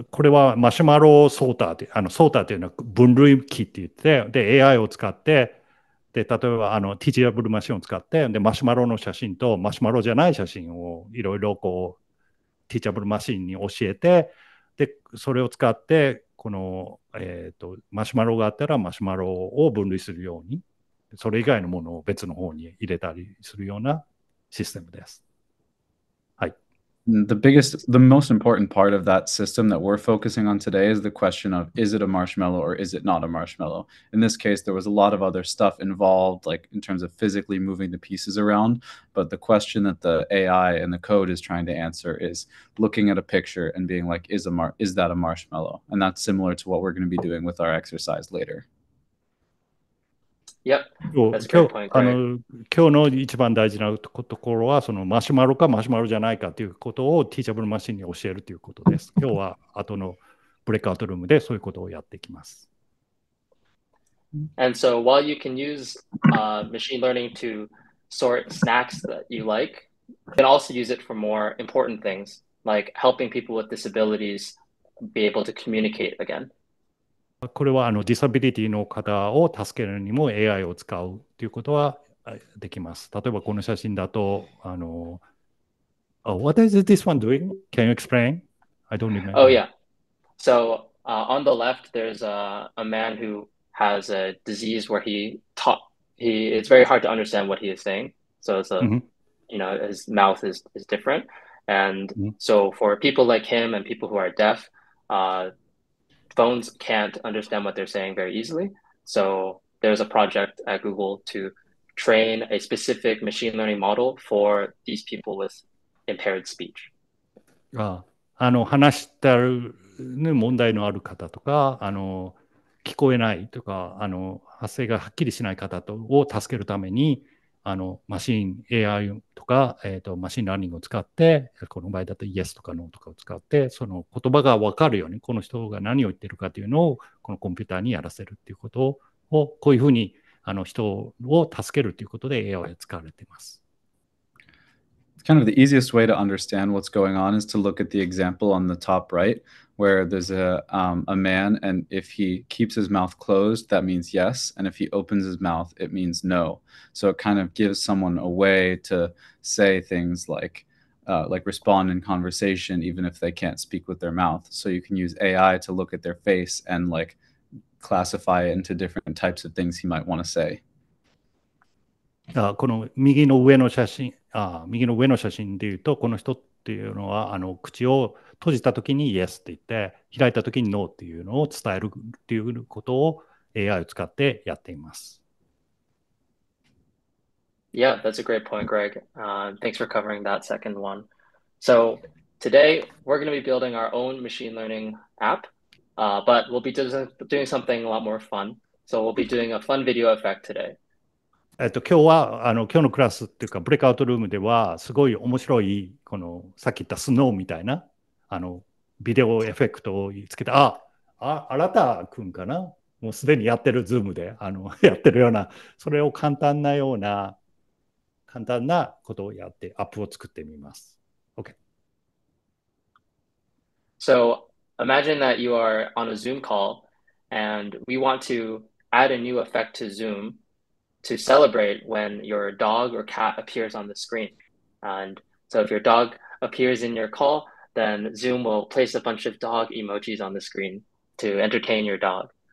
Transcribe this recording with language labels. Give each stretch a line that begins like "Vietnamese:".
Japanese: これはマシュマロソーターって、ソーターというのは分類器って言って、で、AI を使って、で、例えばティーチャブルマシンを使って、で、マシュマロの写真とマシュマロじゃない写真をいろいろこう、ティーチャブルマシンに教えて、で、それを使って、この、マシュマロがあったらマシュマロを分類するように、それ以外のものを別の方に入れたりするようなシステムです。
English: The most important part of that system that we're focusing on today is the question of, is it a marshmallow or is it not a marshmallow? In this case, there was a lot of other stuff involved, like in terms of physically moving the pieces around. But the question that the AI and the code is trying to answer is looking at a picture and being like, is that a marshmallow? And that's similar to what we're going to be doing with our exercise later. Yep, that's a great point, Greg.
Japanese: 今日の一番大事なところは、そのマシュマロかマシュマロじゃないかということをティーチャブルマシンに教えるということです。今日は後のブレイクアウトルームでそういうことをやっていきます。
English: And so while you can use machine learning to sort snacks that you like, you can also use it for more important things, like helping people with disabilities be able to communicate again.
Japanese: これはディサビリティの方を助けるにも AI を使うということはできます。例えばこの写真だと、
English: What is this one doing? Can you explain? I don't remember. Oh, yeah. So on the left, there's a man who has a disease where it's very hard to understand what he is saying. So it's a, you know, his mouth is different. And so for people like him and people who are deaf, phones can't understand what they're saying very easily. So there's a project at Google to train a specific machine learning model for these people with impaired speech.
Japanese: 話したる問題のある方とか、聞こえないとか、発声がはっきりしない方とを助けるために、マシン AI とか、マシンラーニングを使って、この場合だと Yes とか No とかを使って、その言葉が分かるように、この人が何を言ってるかというのを、このコンピューターにやらせるということを、こういうふうに人を助けるということで AI は使われています。
English: Kind of the easiest way to understand what's going on is to look at the example on the top right, where there's a man, and if he keeps his mouth closed, that means yes, and if he opens his mouth, it means no. So it kind of gives someone a way to say things like respond in conversation, even if they can't speak with their mouth. So you can use AI to look at their face and like classify it into different types of things he might want to say.
Japanese: この右の上の写真、右の上の写真で言うと、この人っていうのは、口を閉じたときに Yes って言って、開いたときに No っていうのを伝えるっていうことを AI を使ってやっています。
English: Yeah, that's a great point, Greg. Thanks for covering that second one. So today we're going to be building our own machine learning app, but we'll be doing something a lot more fun. So we'll be doing a fun video effect today.
Japanese: 今日は今日のクラスっていうかブレイクアウトルームではすごい面白いこのさっき言ったスノーみたいなビデオエフェクトをつけて、あなた君かな、もうすでにやってるズームでやってるような、それを簡単なような簡単なことをやってアップを作ってみます。
English: OK。 So imagine that you are on a Zoom call and we want to add a new effect to Zoom to celebrate when your dog or cat appears on the screen. And so if your dog appears in your call, then Zoom will place a bunch of dog emojis on the screen to entertain your dog.